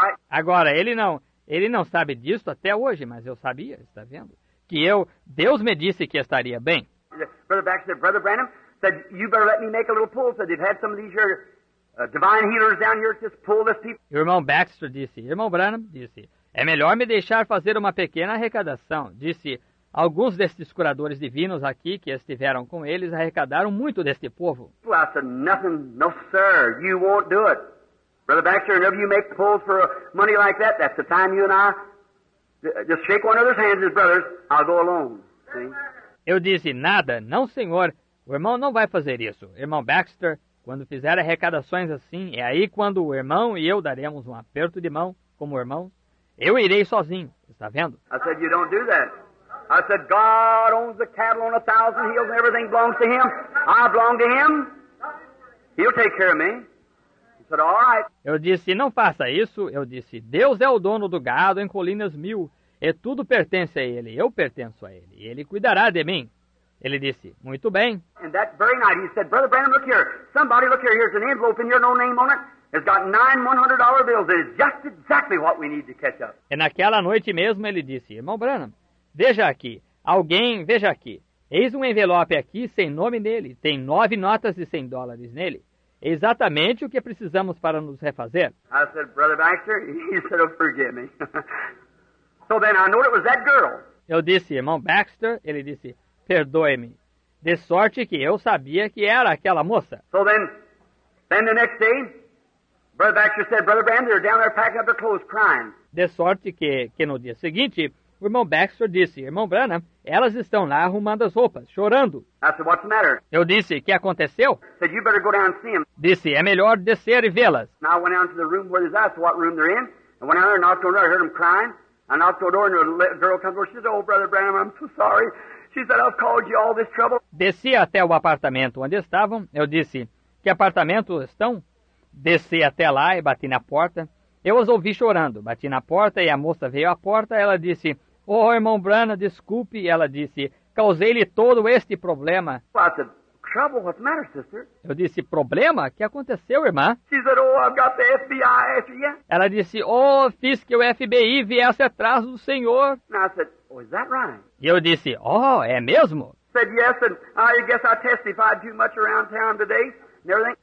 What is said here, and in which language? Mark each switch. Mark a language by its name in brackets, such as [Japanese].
[Portuguese] Agora, ele não sabe disso até hoje, mas eu sabia, está vendo? Que eu, Deus me disse que estaria bem. [English] Brother Baxter, Brother Branham, said, you better let me make a little pull, said, they've had some of these here. Divine healers down here just pull this people. [Portuguese] Irmão Baxter disse, irmão Branham disse, é melhor me deixar fazer uma pequena arrecadação. Disse, alguns destes curadores divinos aqui que estiveram com eles arrecadaram muito deste povo. [English] Well, I said, nothing, no sir, you won't do it. Brother Baxter, whenever you make pulls for money like that, that's the time you and I just shake one another's hands as brothers, I'll go alone. See? [Portuguese] Eu disse, nada, não senhor, o irmão não vai fazer isso. Irmão Baxter, quando fizer arrecadações assim, é aí quando o irmão e eu daremos um aperto de mão, como irmão, eu irei sozinho, está vendo? [English] I said, you don't do that. I said, God owns the cattle on 1,000 hills and everything belongs to him. I belong to him. He'll take care of me. He said, all right. [Portuguese] Eu disse, não faça isso. Eu disse, Deus é o dono do gado em colinas mil. E tudo pertence a ele. Eu pertenço a ele. E ele cuidará de mim. Ele disse, muito bem. [English] And that very night, he said, Brother Branham, look here. Somebody look here. Here's an envelope and your no name on it. It's got $900 bills. It is just exactly what we need to catch up. [Portuguese] E naquela noite mesmo, ele disse, irmão Branham, veja aqui. Alguém, veja aqui. Eis um envelope aqui sem nome nele. Tem 9 notas de $100 nele. Exatamente o que precisamos para nos refazer. [English] I said, Brother Baxter, he said, oh, forgive me. So then I knew it was that girl. [Portuguese] Eu disse, irmão Baxter, ele disse, perdoe-me. De sorte que eu sabia que era aquela moça. [English] So then the next day, Brother Baxter said, Brother Branham, they're down there packing up their clothes, crying. [Portuguese] De sorte que no dia seguinte, o irmão Baxter disse, irmão Branham, elas estão lá arrumando as roupas, chorando. [English] I said, what's the matter? [Portuguese] Eu disse, o que aconteceu? [English] Said, you better go down and see them. [Portuguese] Disse, é melhor descer e vê-las. [English] Now I went down to the room where they asked what room they're in. I went down there and knocked on the door. I heard them crying. I knocked on the door and the girl comes over. She said, oh, Brother Branham, I'm so sorry. She said, I've called you all this trouble. [Portuguese] Desci até o apartamento onde estavam. Eu disse, que apartamento estão? Desci até lá e bati na porta. Eu as ouvi chorando. Bati na porta e a moça veio à porta. Ela disse, oh, irmão Branham, desculpe. Ela disse, causei-lhe todo este problema. [English] Well, I said, trouble? What's the matter, sister? [Portuguese] Eu disse, problema? O que aconteceu, irmã? [English] She said, oh, I've got the FBI after you. [Portuguese] Ela disse, oh, fiz que o FBI viesse atrás do senhor. [English] And I said, oh, is that right? [Portuguese] E eu disse, oh, é mesmo? [English] Said, yes, and I guess I testified too much around town today and everything.